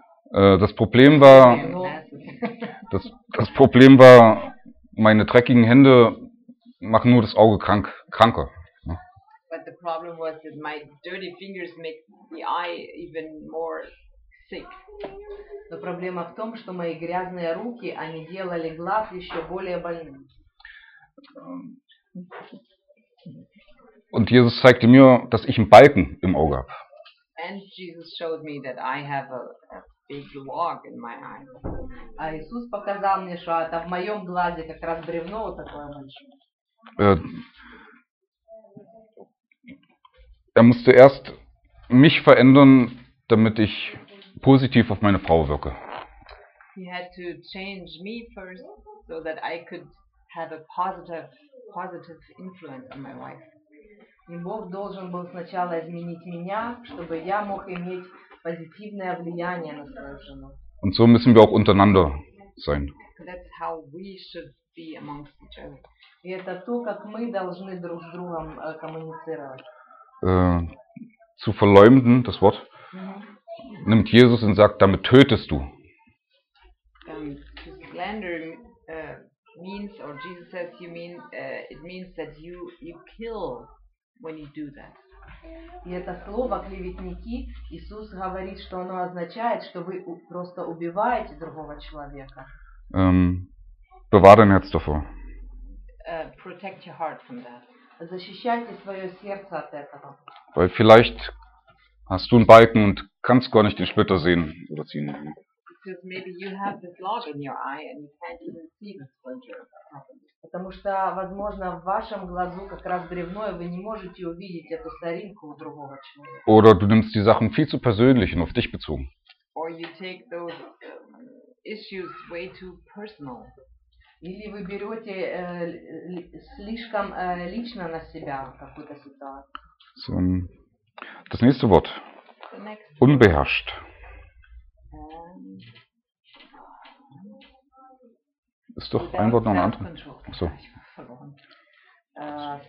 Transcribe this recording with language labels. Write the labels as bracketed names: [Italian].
[German] Das Problem war, meine dreckigen Hände machen nur das Auge kranker. Ne? [English] But the problem was that my dirty fingers make the eye even more sick. [Russian] Но проблема в том, что мои грязные руки, они делали глаз еще более больным. [German] Und Jesus zeigte mir, dass ich einen Balken im Auge habe. [English] And Jesus showed me that I have a big log in my eye. [Russian] А Иисус показал мне, что это в моем глазе как раз бревно вот такое большое. [German] Er musste erst mich verändern, damit ich positiv auf meine Frau wirke. [English] He had to change me first, so that I could have a positive influence on my wife. [Russian] И Бог должен был сначала изменить меня, чтобы я мог иметь позитивное влияние на свою жену. [German] Und so müssen wir auch untereinander sein. [English] That's how we should be amongst each other. [Russian] И это то, как мы должны друг с другом коммуницировать. [German] Zu verleumden, das Wort, mm-hmm. nimmt Jesus und sagt, damit tötest du. [English] To slander means, or Jesus says, you mean, it means that you kill when you do that. [Russian] И это слово клеветники, Иисус говорит, что оно означает, что вы просто убиваете другого человека. [German] Bewahr dein Herz davor. [English] Protect your heart from that. [Russian] Защищайте свое сердце от этого. [German] Weil vielleicht hast du einen Balken und kannst gar nicht den Splitter sehen oder ziehen. [English] Because maybe you have this log in your eye and you can't even see the splinter. [Russian] Потому что, возможно, в вашем глазу как раз бревно, вы не можете увидеть эту соринку у другого человека. [German] Oder du nimmst die Sachen viel zu persönlich und auf dich bezogen. [English] Or you take those issues way too personal. [Russian] Или вы берете слишком лично на себя какую-то ситуацию. [German] So, das nächste Wort. Unbeherrscht. Ist doch ein Wort noch ein anderes.